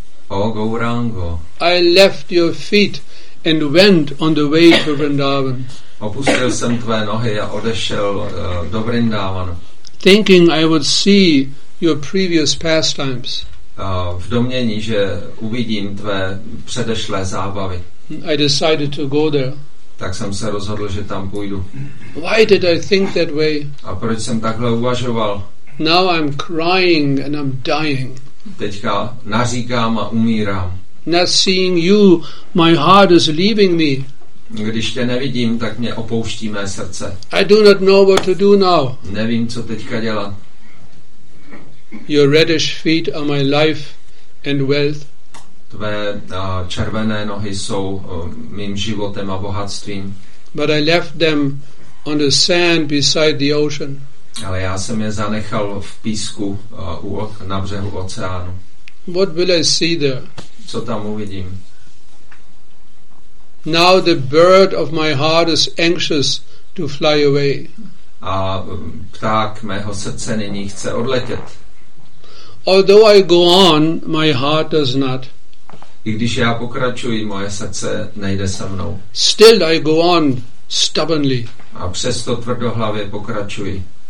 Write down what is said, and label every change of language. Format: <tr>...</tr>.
<en>O Gaurango, I left your feet and went on the way to Vrindavan.</en> <cs>Opustil jsem tvé nohy a odešel do Vrindavanu.</cs> <en>Thinking I would see your previous pastimes.</en> <cs>V domnění, že uvidím tvé předešlé zábavy.</cs> <en>I decided to go there.</en> <cs>Tak jsem se rozhodl, že tam půjdu.</cs> <en>Why did I think that way?</en> <cs>A proč jsem takhle uvažoval?</cs> <en>Now I'm crying and I'm dying.</en> <cs>Teďka naříkám a umírám.</cs> <en>Not seeing you, my heart is leaving me.</en> <cs>Když tě nevidím, tak mě opouští mé srdce.</cs> <en>I do not know what to do now.</en> <cs>Nevím, co teďka dělat.</cs> <en>Your reddish feet are my life and wealth.</en> <cs>Tvé červené nohy jsou mým životem a bohatstvím.</cs> <en>But I left them on the sand beside the ocean.</en> <cs>Ale já jsem je zanechal v písku na břehu oceánu.</cs> <en>What will I see there?</en> <cs>Co tam uvidím?</cs> <en>Now the bird of my heart is anxious to fly away.</en> <cs>A pták mého srdce nyní chce odletět.</cs> <en>Although I go on, my heart does not.</en> <cs>I když já pokračuji, moje srdce nejde se mnou.</cs> <en>Still I go on stubbornly.</en> <cs>A přesto tvrdohlavě pokračuji.</cs>